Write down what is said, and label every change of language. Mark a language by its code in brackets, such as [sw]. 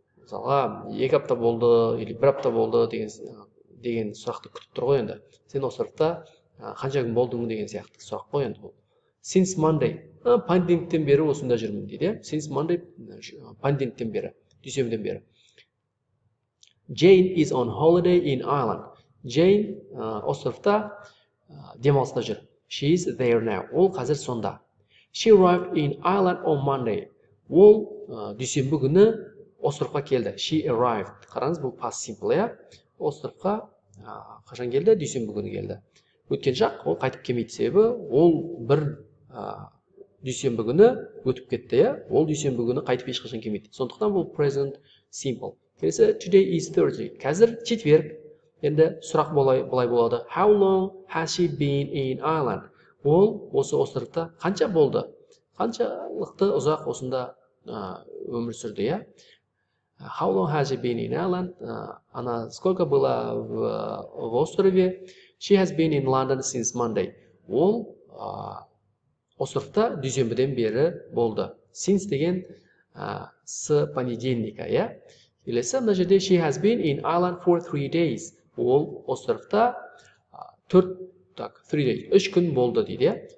[kk] Мысалға, екі апта болды, или бір апта болды деген сұрақты күтіп тұр ғой енді. Сен островта қанша күн болдың деген сияқты сұрақ қой енді бұл. [en] Since Monday. [kk] Пандемиктен бері осында жүрмін дейді. [en] Since Monday, [kk] пандемиктен бері, дүйсенбіден бері. [en] Jane is on holiday in Ireland. [kk] Jane островта демалыста жүр. [en] She is there now. [kk] Ол қазір сонда. [en] She arrived in Ireland on Monday. [kk] Ол дүйсенбі күні островқа келді. [en] She arrived. [kk] Қараңыз, бұл past simple, иә? Островқа қашан келді? Дүйсенбі күні келді. Өткен жақ, ол қайтып келмейді, себебі ол бір дүйсенбі күні өтіп кетті, иә? Ол дүйсенбі күні қайтып ешқашан келмейді. Сондықтан бұл present simple. Келесі, [en] today is Thursday. [kk] Қазір четверг. Енді сұрақ былай болады. [en] How long has she been in Ireland? [kk] Ол осы островта қанша болды? Қаншалықты ұзақ осында өмір сүрді, иә? [en] How long has she been in Ireland? [ru] Она сколько была в острове? [en] She has been in London since Monday. [kk] Ол островта дүйсенбіден бері болды. Since деген [ru] с понедельника, [kk] иә? Келесі, мына жерде [en] she has been in Ireland for 3 days. [kk] Ол островта 3 days, 3 күн болды дейді.